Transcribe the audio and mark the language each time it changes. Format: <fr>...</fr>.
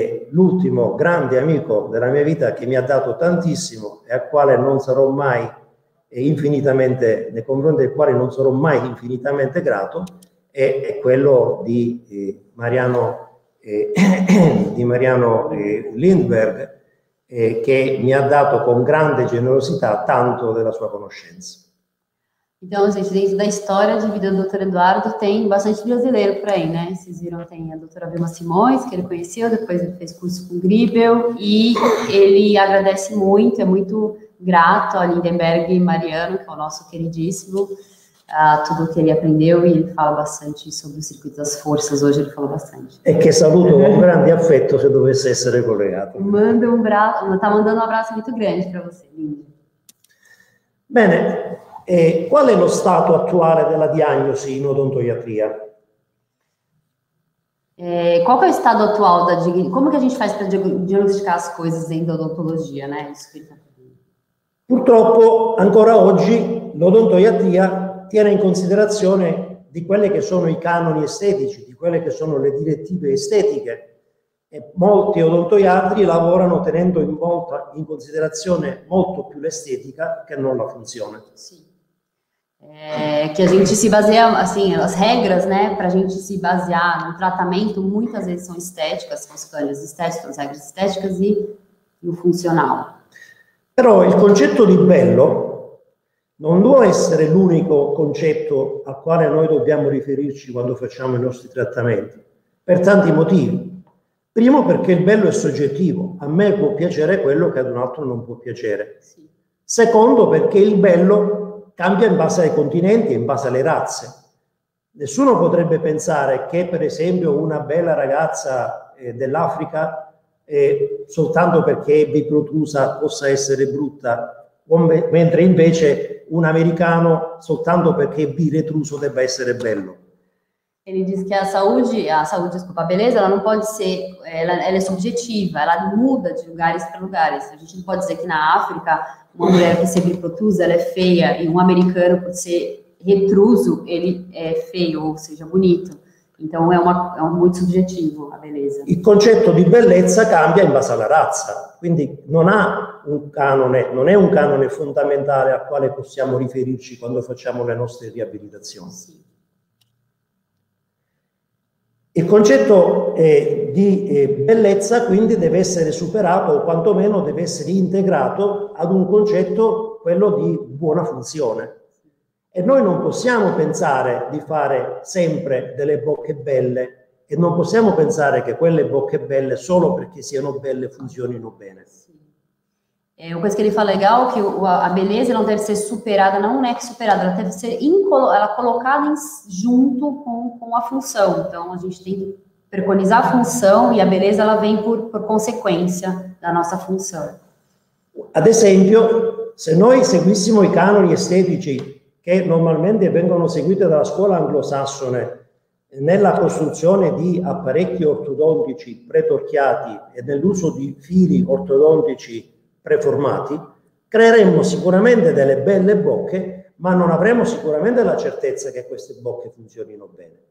<it>l'ultimo grande amico della mia vita che mi ha dato tantissimo e al quale non sarò mai e infinitamente, nei confronti del quale non sarò mai infinitamente grato, è quello di Mariano, di Mariano Lindberg, che mi ha dato con grande generosità tanto della sua conoscenza.</it> <pt>Então, gente, dentro da história de vida do Dr. Eduardo, tem bastante brasileiro por aí, né? Vocês viram, tem a doutora Vilma Simões, que ele conheceu, depois ele fez curso com o Gribel, e ele agradece muito, é muito grato a Lindenberg e Mariano, que é o nosso queridíssimo, a tudo que ele aprendeu, e ele fala bastante sobre o circuito das forças, hoje ele falou bastante.</pt> <it>E que saluto com grande afeto, se dovesse essere collegato.</it> <pt>Manda um abraço, tá mandando um abraço muito grande para você, Linda.</pt> <it>Bene. E qual è lo stato attuale della diagnosi in odontoiatria? Qual è lo stato attuale da diagnosi? Come che</it> <pt>a gente</pt> <it>fa per diagnosticare le cose in odontologia, né? Purtroppo ancora oggi l'odontoiatria tiene in considerazione di quelli che sono i canoni estetici, di quelle che sono le direttive estetiche. E molti odontoiatri lavorano tenendo in considerazione molto più l'estetica che non la funzione. Sì.</it> <pt>Que a gente se baseia, assim, as regras, né, pra gente se basear no tratamento, muitas vezes são estéticas, são as canas estéticas, as regras estéticas e o funcional.</pt> <it>Però il concetto di bello non può essere l'unico concetto al quale noi dobbiamo riferirci quando facciamo i nostri trattamenti, per tanti motivi. Primo, perché il bello è soggettivo, a me può piacere quello che ad un altro non può piacere. Sì. Secondo, perché il bello cambia in base ai continenti e in base alle razze. Nessuno potrebbe pensare che, per esempio, una bella ragazza dell'Africa, soltanto perché è biprotrusa, possa essere brutta, mentre invece un americano, soltanto perché è biretruso, debba essere bello.</it> <pt>Ele diz que a beleza, ela não pode ser, ela é subjetiva, ela muda de lugares para lugares. A gente não pode dizer que na África uma mulher que se biprotrusa, ela é feia, e um americano por ser retruso, ele é feio, ou seja, bonito. Então é muito subjetivo a beleza.</pt> <it>Il concetto di bellezza cambia in base alla razza, quindi non è un canone fondamentale al quale possiamo riferirci quando facciamo le nostre riabilitazioni. Sì. Il concetto di bellezza quindi deve essere superato o quantomeno deve essere integrato ad un concetto, quello di buona funzione. E noi non possiamo pensare di fare sempre delle bocche belle e non possiamo pensare che quelle bocche belle solo perché siano belle funzionino bene.</it> <pt>É uma coisa que ele fala legal, que a beleza não deve ser superada, não é superada, ela deve ser colocada junto com a função. Então, a gente tem que preconizar a função e a beleza ela vem por consequência da nossa função.</pt> <it>Ad esempio, se noi seguissimo i canoni estetici che normalmente vengono seguiti dalla scuola anglosassone nella costruzione di apparecchi ortodontici pretorchiati e nell'uso di fili ortodontici preformati, creeremmo sicuramente delle belle bocche, ma non avremo sicuramente la certezza che queste bocche funzionino bene.</it>